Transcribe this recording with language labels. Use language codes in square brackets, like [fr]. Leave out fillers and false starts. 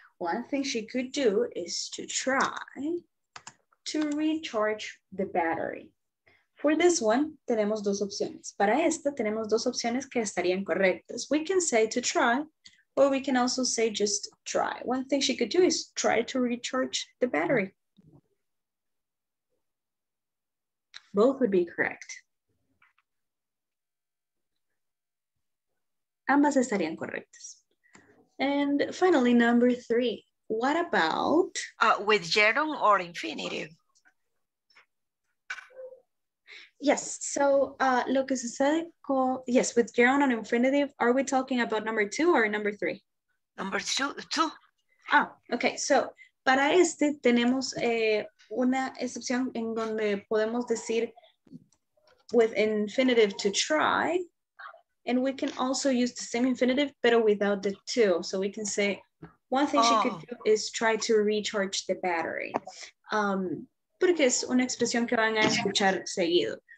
[en] One thing she could do is to try to recharge the battery. For this one, [es] tenemos dos opciones. Para esta, tenemos dos opciones que estarían correctas. [en] We can say to try, or we can also say just try. One thing she could do is try to recharge the battery. Both would be correct. [es] Ambas estarían correctas. [en] And finally, number three, what about? With gerund or infinitive? Yes, so [es] lo que sucede con, [en] yes, with gerund and infinitive, are we talking about number two or number three? Number two. Ah, okay, so [es] para este tenemos una excepción en donde podemos decir [en] with infinitive to try, and we can also use the same infinitive but without the to. So we can say one thing she could do is try to recharge the battery. [es] Porque es una expresión que van a escuchar seguido.